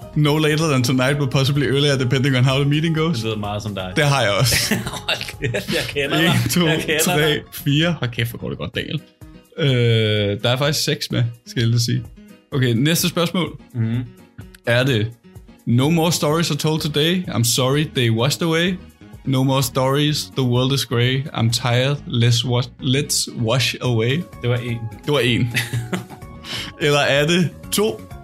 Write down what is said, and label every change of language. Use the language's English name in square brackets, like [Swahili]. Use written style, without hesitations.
[English] No later than tonight, but possibly earlier, depending on how the meeting goes. [Danish] Det lyder meget som dig. Det har jeg også. Jeg kender dig. 1, 2, 3, 4. Hold kæft, hvor går det godt, Daniel. Der er faktisk 6 med, skal jeg lige sige. Okay, næste spørgsmål. Er det [English] no more stories are told today, I'm sorry, they washed away. No more stories, the world is grey, I'm tired, let's wash away. [Danish] Det var 1. Det var 1. Eller er det 2?